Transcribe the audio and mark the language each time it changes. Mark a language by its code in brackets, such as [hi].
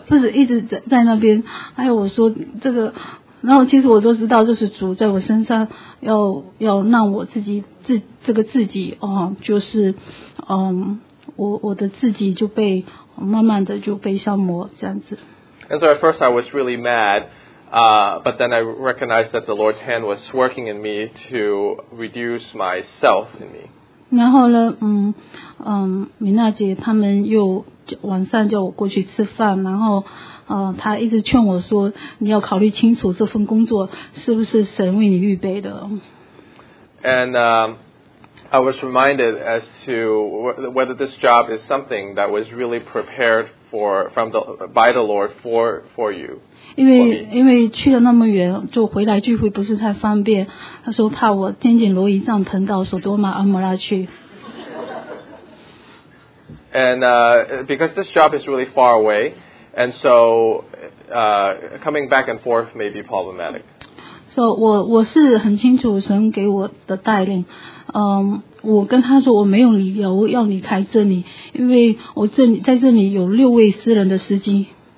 [zh] 然后我就很生气，然后就不是一直在那边，哎，我说这个。然后其实我都知道这是主在我身上要让我自己，这个自己就被慢慢的就被消磨这样子。And [en] so at first I was really mad, but then I recognized that the Lord's hand was working in me to reduce myself in me. [zh] 然后呢，米娜姐他们又晚上叫我过去吃饭，然后他一直劝我说，你要考虑清楚这份工作是不是神为你预备的。 [en] And I was reminded as to whether this job is something that was really prepared by the Lord for you. [zh] 因为去了那么远，就回来聚会不是太方便。他说怕我肩颈挪移帐篷到索多玛阿摩拉去。 [en] And because this job is really far away, and so coming back and forth may be problematic. [zh] So 我是很清楚神给我的带领。我跟他说我没有理由要离开这里，因为我这里在这里有六位私人的司机。